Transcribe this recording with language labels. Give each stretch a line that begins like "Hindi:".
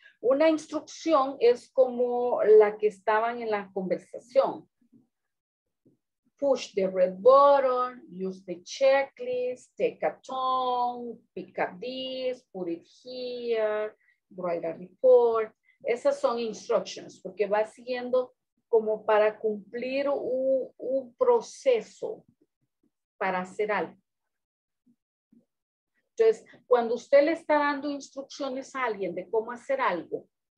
Spanish: Una instrucción es como la que estaban en la conversación.
English: Push the red button, use the checklist, take a tone, pick up this, put it here, write a report.
Spanish: Esas son instructions porque va siguiendo como para cumplir un proceso para hacer algo. Entonces, cuando usted le está dando instrucciones a alguien de cómo hacer algo,